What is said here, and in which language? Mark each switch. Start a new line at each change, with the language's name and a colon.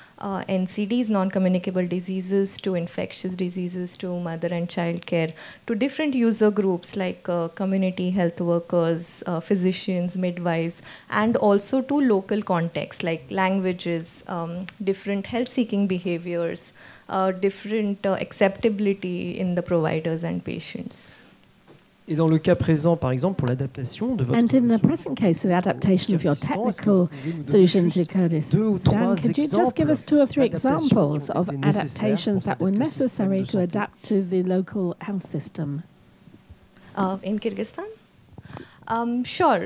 English: NCDs, non-communicable diseases, to infectious diseases, to mother and child care, to different user groups like community health workers, physicians, midwives, and also to local contexts like languages, different health-seeking behaviors, different acceptability in the providers and patients.
French: Et dans le cas présent, par exemple, pour l'adaptation de votre
English: And in the present case, for the adaptation of your technical solution to Kurdistan, could you just give us two or three examples of adaptations that were necessary to adapt to the local health system? In Kyrgyzstan? Sure.